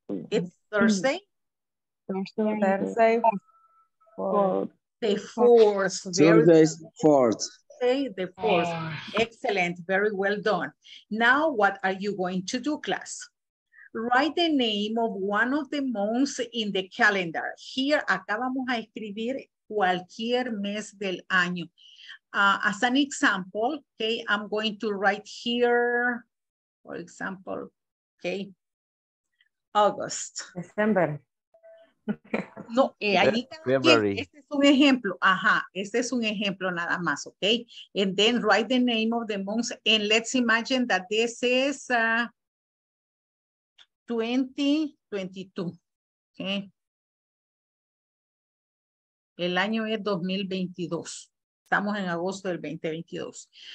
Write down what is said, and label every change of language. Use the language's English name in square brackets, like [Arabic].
[English] It's Thursday, the fourth. Okay, the fourth. Excellent, very well done. Now, what are you going to do, class? Write the name of one of the months in the calendar. [Spanish] Here, acá vamos a escribir cualquier mes del año. [English] As an example, okay, I'm going to write here, for example, okay, August. December. [Spanish] No, ahí este es un ejemplo. Ajá, este es un ejemplo nada más, okay? [English] And then write the name of the month. And let's imagine that this is 2022, okay? [Spanish] El año es 2022. Estamos en agosto del 2022.